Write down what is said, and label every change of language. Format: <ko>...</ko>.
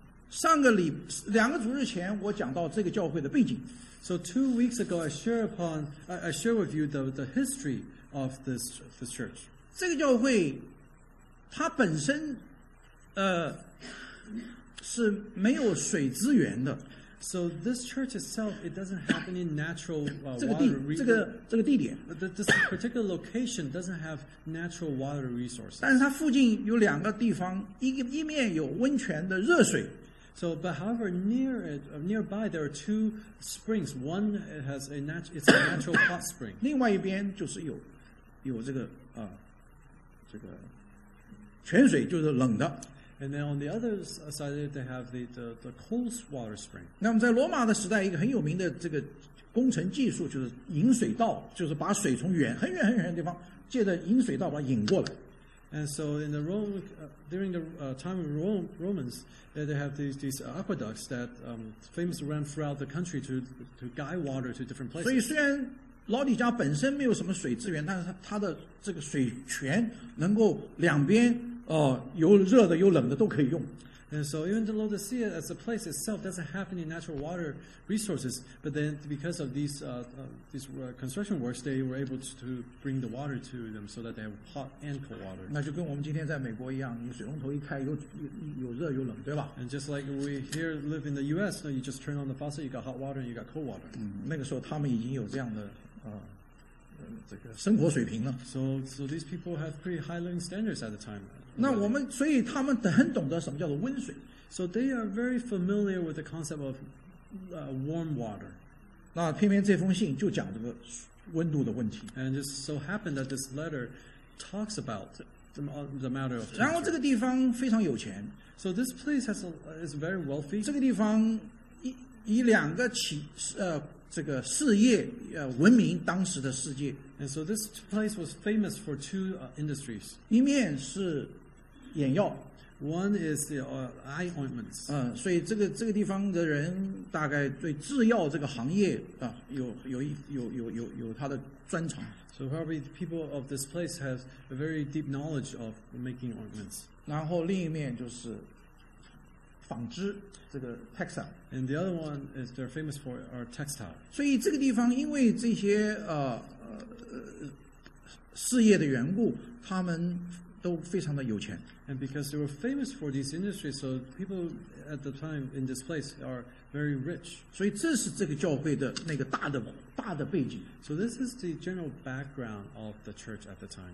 <zh>上个礼两个主日前，我讲到这个教会的背景。</zh> <en>So 2 weeks ago, I share with you the history of this church.</en> <zh>这个教会它本身是没有水资源的。</zh> <en>So this church itself, it doesn't have any natural water resources. This particular location doesn't have natural water resources.</en> <zh>但是它附近有两个地方，一面有温泉的热水。</zh> <en>So, but however, near it, nearby there are two springs. One it has a it's a natural hot spring.</en> <zh>另外一边就是有这个这个泉水，就是冷的。</zh> <en>And then on the other side, they have the cold water spring.</en> <zh>那么在罗马的时代，一个很有名的这个工程技术就是引水道，就是把水从远很远很远的地方借着引水道把它引过来。</zh> <en>And so in the Rome, during the time of Romans, they have these aqueducts that famous ran throughout the country to guide water to different places.</en> <zh>所以虽然老底家本身没有什么水资源，但是它的这个水泉能够两边。有热的有冷的都可以用。</zh> <en>And so even the Laodicea as a place itself doesn't have any natural water resources, but then because of these construction works, they were able to bring the water to them so that they have hot and cold water.</en> <zh>那就跟我们今天在美国一样，你水龙头一开，有热有冷，对吧</zh> <en>？And just like we here live in the U.S., so you just turn on the faucet, you got hot water and you got cold water.</en> <zh>那个时候他们已经有这样的这个生活水平了。</zh> <en>So these people have pretty high living standards at the time.</en> <zh>那我们所以他们很懂得什么叫做温水。</zh> <en>So they are very familiar with the concept of warm water.</en> <zh>那偏偏这封信就讲这个温度的问题。</zh> <en>And just so happened that this letter talks about the matter of temperature.</en> <zh>然后这个地方非常有钱。</zh> <en>So this place is very wealthy.</en> <zh>这个地方以两个起这个事业闻名当时的世界。</zh> <en>And so this place was famous for two industries.</en> <zh>一面是眼药。</zh> <en>One is the eye ointments.</en> <zh>所以这个地方的人大概对制药这个行业有他的专长。</zh> <en>So probably the people of this place have a very deep knowledge of making ointments.</en> <zh>然后另一面就是纺织，这个 textile.</zh> <en>And the other one is they're famous for our textile.</en> <zh>所以这个地方因为这些事业的缘故，他们都非常的有钱。</zh> <en>And because they were famous for these industries, so people at the time in this place are very rich.</en> <zh>所以这是这个教会的那个大的背景。</zh> <en>So this is the general background of the church at the time.</en>